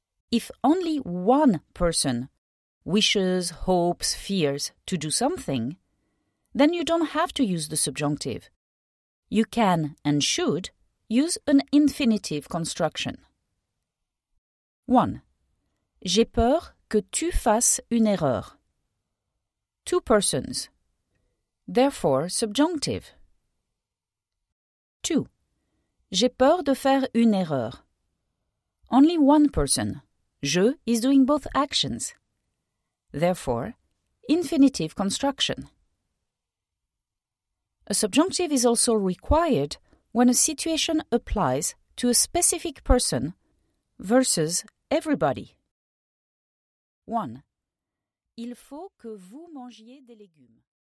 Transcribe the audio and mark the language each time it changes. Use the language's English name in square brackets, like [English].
[English] If only one person wishes, hopes, fears to do something, then you don't have to use the subjunctive. You can and should use an infinitive construction. 1. [French] J'ai peur que tu fasses une erreur. [English] Two persons. Therefore, subjunctive. 2. [French] J'ai peur de faire une erreur. [English] Only one person. Je is doing both actions. Therefore, infinitive construction. A subjunctive is also required when a situation applies to a specific person versus everybody. [French] 1. Il faut que vous mangiez des légumes.